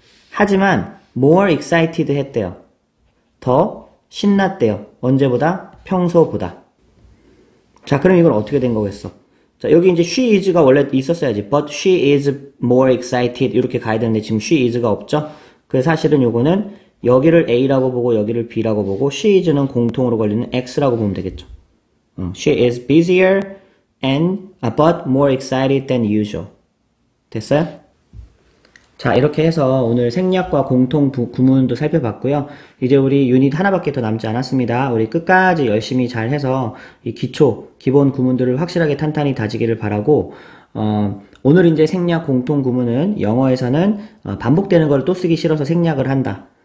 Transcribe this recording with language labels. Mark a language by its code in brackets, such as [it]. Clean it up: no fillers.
[ko] 하지만, more excited 했대요. 더 신났대요. 언제보다? 평소보다. 자, 그럼 이걸 어떻게 된 거겠어? 자, 여기 이제 she is가 원래 있었어야지. [en] But she is more excited. [ko] 이렇게 가야 되는데 지금 she is가 없죠? 그래서 사실은 요거는 여기를 A라고 보고 여기를 B라고 보고 she is는 공통으로 걸리는 X라고 보면 되겠죠. [en] She is busier and but more excited than usual. [ko] 됐어요? 자, 이렇게 해서 오늘 생략과 공통 구문도 살펴봤고요. 이제 우리 유닛 하나밖에 더 남지 않았습니다. 우리 끝까지 열심히 잘 해서 이 기초, 기본 구문들을 확실하게 탄탄히 다지기를 바라고, 오늘 이제 생략 공통 구문은 영어에서는 반복되는 걸또 쓰기 싫어서 생략을 한다.